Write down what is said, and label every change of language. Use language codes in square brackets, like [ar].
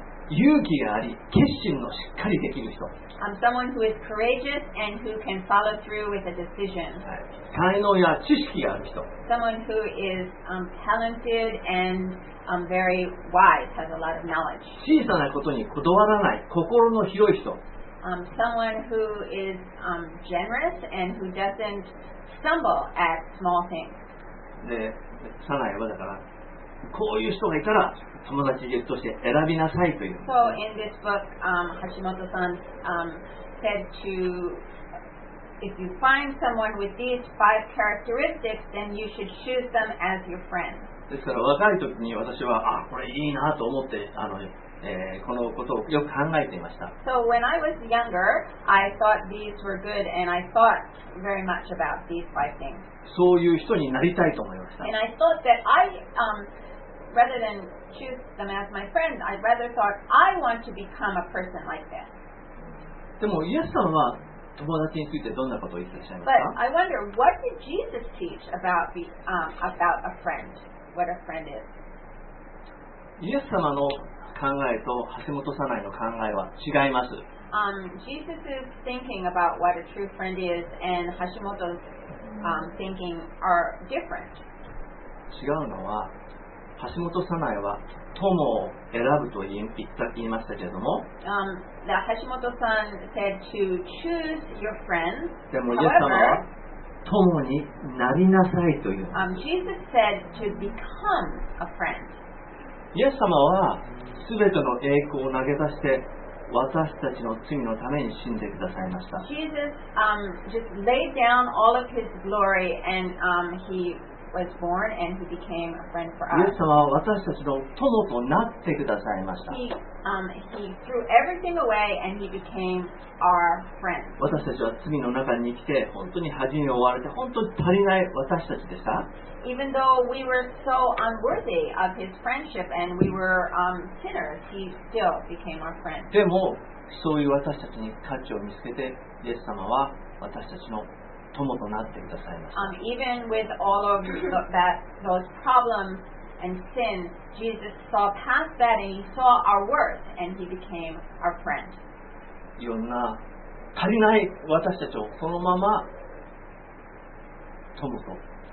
[ja] 勇気があり決心のしっかりできる人。 [en] Someone who is courageous and who can follow through with a decision. [ja] 才能や知識がある人。 [en] Someone who is talented and very wise, has a lot of knowledge. [ja] 小さなことにこだわらない心の広い人。 [en] Someone who is generous and who doesn't stumble at small things. [ja] で、さらにはだから、こういう人がいたら友達として選びなさいという。 [en] So in this book, Hashimoto-san said to, if you find someone with these five characteristics, then you should choose them as your friend. [ja] ですから若い時に私は、これいいなと思ってこのことをよく考えていました。 [en] So when I was younger, I thought these were good and I thought very much about these five things. [ja] そういう人になりたいと思いました。 [en] And I thought that I, rather than choose them as my friend, I rather thought I want to become a person like this. [ja] でもイエス様は友達についてどんなことを言っていらっしゃいますか? [en] But I wonder, what did Jesus teach about, the, about a friend? What a friend is? [ja] イエス様の考えと橋本さないの考えは違います。 [en] Jesus is thinking about what a true friend is, and 橋本 's thinking are different. [ja] 違うのは、橋本さないは友を選ぶと言いましたけれども、 [en] 橋本さん said to choose your friends. [ja] でもイエス様は友になりなさいという。 [en] Jesus said to become a friend. [ja] イエス様は全ての栄光を投げ出して私たちの罪のために死んでくださいました。 [en] Jesus, just laid down all of his glory and, he was born and he became a friend for us. [ja] イエス様は私たちの友となってくださいました。 [en] He, he threw everything away and he became our friend. [ja] 私たちは罪の中に生きて本当に恥に追われて本当に足りない私たちでした。 [en] Even though we were so unworthy of his friendship and we were sinners, he still became our friend. [ja] でもそういう私たちに価値を見つけて、イエス様は私たちの友となってくださいました。 [en] Even with all of the, that, those problems and sin, Jesus saw past that and he saw our worth and he became our friend. [ja] いろんな足りない私たちをそのまま友と。